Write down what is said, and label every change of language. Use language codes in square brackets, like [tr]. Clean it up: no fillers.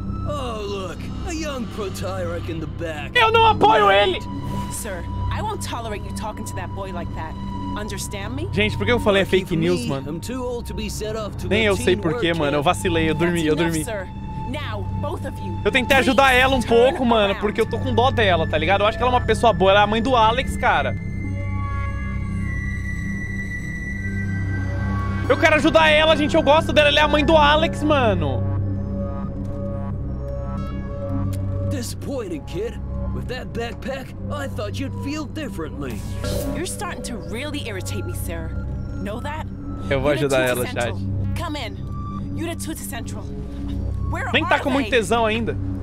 [en] Oh, look. A young Protyrek in the back. [pt] Eu não apoio ele! [en] Sir, I won't tolerate you talking to that boy like that. Understand me? [pt] Gente, por que eu falei fake news, mano? [en] I'm too old to be set off to [pt] Nem eu sei porquê, mano. Eu vacilei, eu dormi. [en] Sir. Now, both of you, [pt] eu tentei ajudar ela um pouco, mano, porque eu tô com dó dela, tá ligado? Eu acho que ela é uma pessoa boa, ela é a mãe do Alex, cara. Eu quero ajudar ela, gente, eu gosto dela, ela é a mãe do Alex, mano. [en] Disappointing, kid. With that backpack, I thought you'd feel differently. You're starting to really irritate me, sir. Know that? [pt] Eu vou ajudar ela, chat. [en] Come in. You're the Tuta Central. [pt] Nem tá com muito tesão ainda.